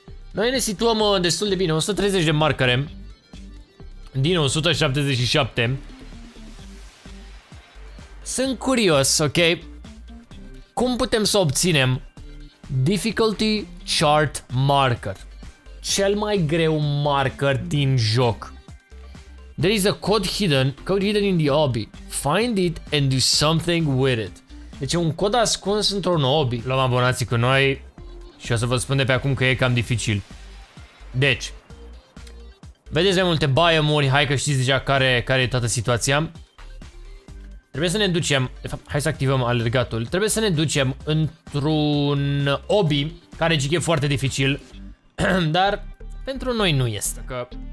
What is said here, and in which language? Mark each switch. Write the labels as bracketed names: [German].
[Romanian] Noi ne situăm destul de bine, 130 de marcare din 177. Sunt curios, ok? Cum putem să obținem difficulty chart marker? Cel mai greu marker din joc. [English] There is a code hidden in the obby. Find it and do something with it. [Romanian] Deci un cod ascuns într-un obby. Luăm abonații cu noi și o să vă spun de pe acum că e cam dificil. Deci, vedeți mai multe biomuri, hai că știți deja care e toată situația. Trebuie să ne ducem, de fapt, hai să activăm alergatul. Trebuie să ne ducem într-un obby, care zic e foarte dificil, dar pentru noi nu este. Că...